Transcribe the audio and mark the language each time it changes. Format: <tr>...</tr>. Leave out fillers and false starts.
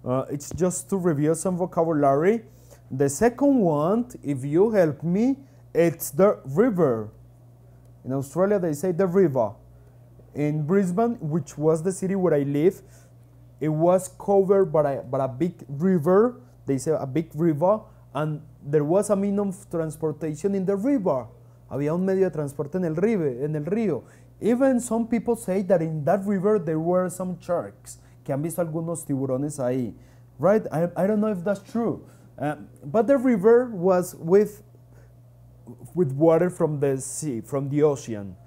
<en>It's just to review some vocabulary. The second one, if you help me, it's the river. In Australia, they say the river. In Brisbane, which was the city where I live, it was covered by a big river. They say a big river, and there was a minimum of transportation in the river.</en> <es>Había un medio de transporte en el río.</es> <en>Even some people say that in that river there were some sharks.</en> <es>Que han visto algunos tiburones ahí,</es> <en>right? I don't know if that's true, but the river was with water from the sea, from the ocean.</en>